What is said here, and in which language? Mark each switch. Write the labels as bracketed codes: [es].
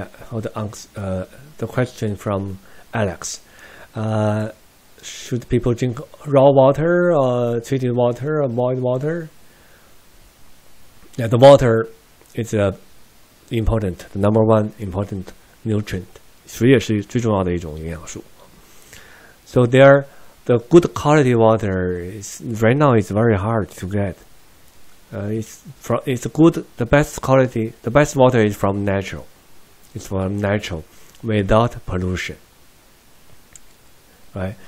[en] The question from Alex, should people drink raw water or treated water or boiled water? Yeah, the water is important, the number one important nutrient. [zh] 水也是最重要的一种营养素。 [en] So there, the good quality water is right now is very hard to get. The best water is from natural. It's from natural without pollution. Right?